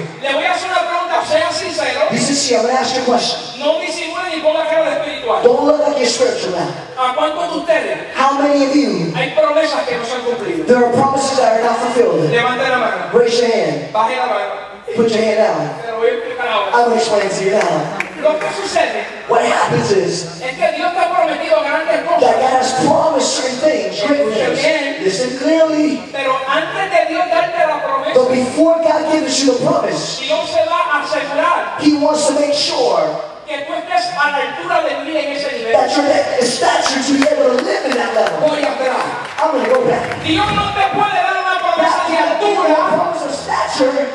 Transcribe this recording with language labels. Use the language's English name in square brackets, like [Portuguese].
[Spanish] Le voy a hacer una pregunta, sea sincero. [English] Be sincere, I'm going to ask you a question. [Spanish] No disimule ni ponga cara de espiritual. [English] Don't look like you're spiritual now. [Spanish] ¿A cuánto de ustedes? [English] How many of you? [Spanish] Hay promesas que no se han cumplido. [English] There are promises that are not fulfilled. [Spanish] Levante la mano. [English] Raise your hand. [Spanish] Baje la mano. [English] Put your hand out. I'm going to explain to you now. What happens is that God has promised certain things, great things. Listen clearly. But before God gives you the promise, He wants to make sure that you're that stature to be able to live in that level. I'm going to go back. [Spanish] Dios no te puede dar una promesa de altura.